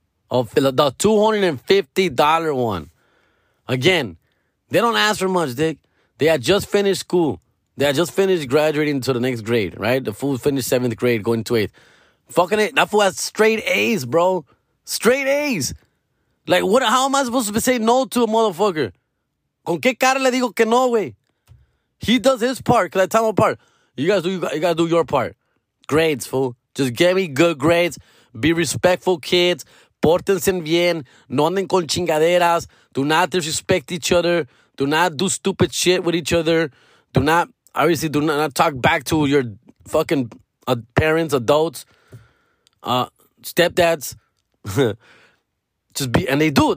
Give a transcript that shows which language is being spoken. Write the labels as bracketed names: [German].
[English] Of the $250 one. Again, they don't ask for much, dick. They had just finished school. They had just finished graduating to the next grade, right? The fool finished 7th grade, going to 8th. Fucking it. That fool has straight A's, bro. Straight A's. Like, what? How am I supposed to say no to a motherfucker? [Spanish] ¿Con qué cara le digo que no, güey? [English] He does his part, because I tell him apart. You guys do your part. Grades, fool. Just give me good grades. Be respectful, kids. [Spanish] Pórtense bien. No anden con chingaderas. [English] Do not disrespect each other. Do not do stupid shit with each other. Do not talk back to your fucking parents, adults, stepdads. Just be, and they do.